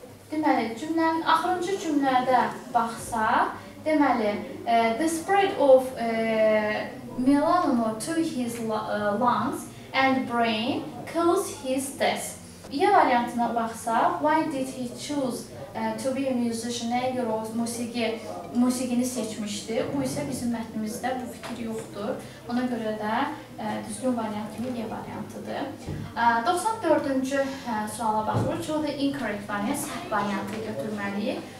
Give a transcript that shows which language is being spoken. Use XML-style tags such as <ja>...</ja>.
<az>Deməli, cümlənin axırıncı cümlədə baxsaq, deməli,</az> <en>the spread of melanoma to his lungs and brain caused his death.</en> <az>Y variantına baxsaq,</az> <en>why did he choose to be a musician?</en> <az>Nəyə görə o musiqini seçmişdi? Bu isə bizim mətnimizdə bu fikir yoxdur. Ona görə də düzgün variant kimi Y variantıdır. 94-cü suala baxırıq. Çox da incorrect variant, səhv variantı götürməliyik.</az>